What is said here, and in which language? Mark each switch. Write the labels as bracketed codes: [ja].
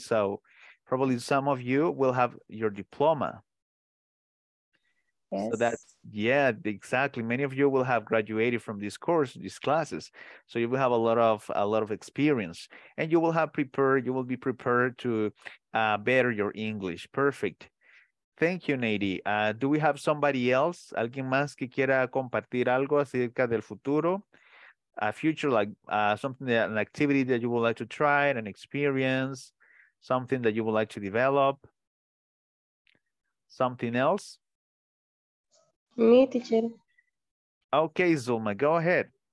[en] So probably some of you will have your diploma. Yes. So that's Yeah, exactly. Many of you will have graduated from this course, these classes. So you will have a lot of experience, and you will have prepared, you will be prepared to better your English. Perfect. Thank you, Nady. Do we have somebody else? [es] Alguien más que quiera compartir algo acerca del futuro? [en] A future, like something, that, an activity that you would like to try, an experience, something that you would like to develop, something else? Me, teacher. Okay, Zulma, go ahead.